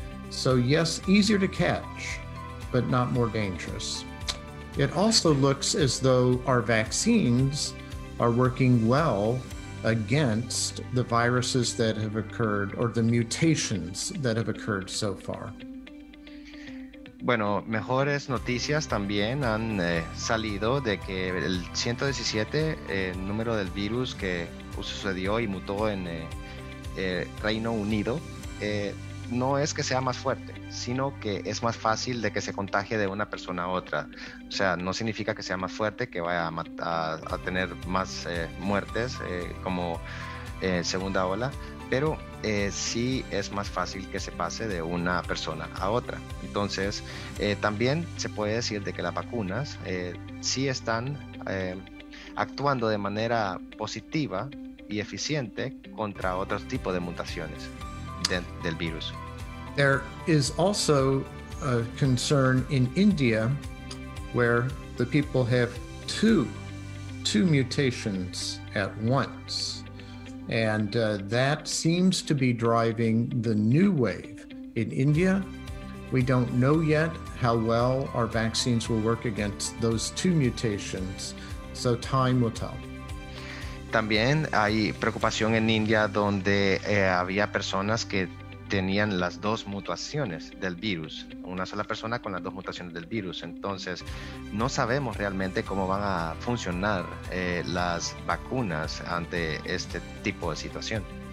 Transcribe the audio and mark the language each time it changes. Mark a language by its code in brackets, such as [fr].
[en] So yes, easier to catch, but not more dangerous. It also looks as though our vaccines are working well against the viruses that have occurred or the mutations that have occurred so far. [es] Bueno, mejores noticias también han salido de que el 117, el número del virus que sucedió y mutó en Reino Unido, no es que sea más fuerte, sino que es más fácil de que se contagie de una persona a otra. O sea, no significa que sea más fuerte, que vaya a tener más muertes como segunda ola, pero sí es más fácil que se pase de una persona a otra. Entonces, también se puede decir de que las vacunas sí están actuando de manera positiva y eficiente contra otros tipos de mutaciones del virus. [en] There is also a concern in India where the people have two mutations at once. And that seems to be driving the new wave in India. We don't know yet how well our vaccines will work against those two mutations. So time will tell. [es] También hay preocupación en India donde había personas que tenían las dos mutaciones del virus, una sola persona con las dos mutaciones del virus. Entonces, no sabemos realmente cómo van a funcionar las vacunas ante este tipo de situación.